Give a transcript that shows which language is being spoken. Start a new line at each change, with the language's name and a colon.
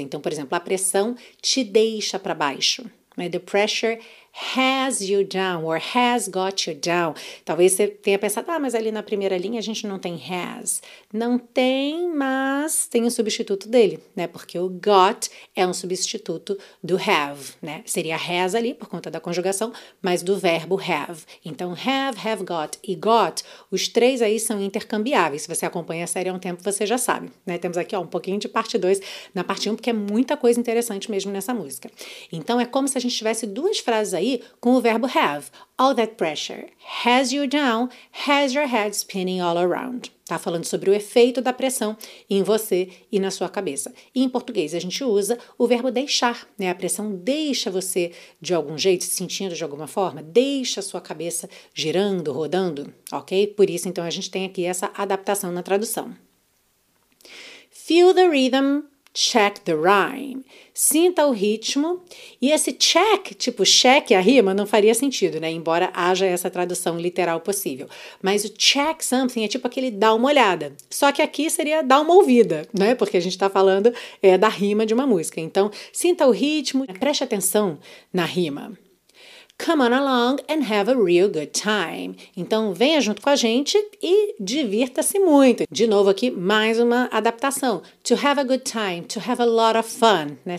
Portuguese: Então, por exemplo, a pressão te deixa para baixo.
English: The pressure has you down, or has got you down.
Portuguese: Talvez você tenha pensado, ah, mas ali na primeira linha a gente não tem has. Não tem, mas tem o substituto dele, né? Porque o got é um substituto do have, né? Seria has ali, por conta da conjugação, mas do verbo have. Então, have got e got, os três aí são intercambiáveis. Se você acompanha a série há um tempo, você já sabe, né? Temos aqui, ó, um pouquinho de parte 2 na parte 1, porque é muita coisa interessante mesmo nessa música. Então, é como se a gente tivesse duas frases aí com o verbo have.
English: All that pressure has you down, has your head spinning all around.
Portuguese: Tá falando sobre o efeito da pressão em você e na sua cabeça. E em português a gente usa o verbo deixar, né? A pressão deixa você de algum jeito, se sentindo de alguma forma, deixa a sua cabeça girando, rodando, ok? Por isso então a gente tem aqui essa adaptação na tradução.
English: Feel the rhythm, check the rhyme.
Portuguese: Sinta o ritmo. E esse check, tipo check a rima, não faria sentido, né? Embora haja essa tradução literal possível. Mas o check something é tipo aquele dá uma olhada. Só que aqui seria dá uma ouvida, né? Porque a gente tá falando da rima de uma música. Então, sinta o ritmo, preste atenção na rima.
English: Come on along and have a real good time.
Portuguese: Então, venha junto com a gente e divirta-se muito. De novo aqui, mais uma adaptação.
English: To have a good time, to have a lot of fun, né?